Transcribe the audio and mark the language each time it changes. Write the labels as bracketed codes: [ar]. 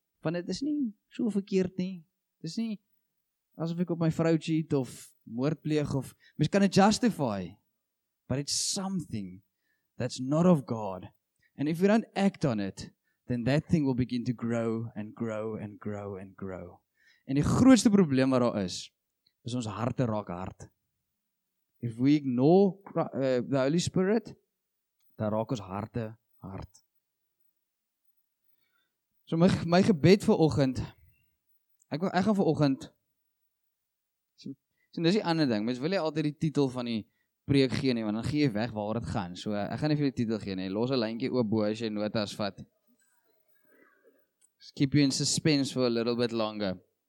[af] Want het is nie so verkeerd nie. Het is nie asof ek op my vrou cheat of moord pleeg of mens kan it justify. [en] But it's something that's not of God. And if we don't act on it, then that thing will begin to grow and grow and grow and grow. [af] En die grootste probleem wat daar is ons harte raak hard. [en] If we ignore the Holy Spirit, [af] dan raak ons harte hard. So my gebed vir oggend, ek gaan vir oggend, so dis die ander ding, mens wil jy altyd die titel van die preek gee nie, want dan gee jy weg waar dit gaan, so ek gaan nie vir die titel gee nie, los 'n lyntjie oop bo as jy notas vat. [en] keep you in suspense for a little bit longer.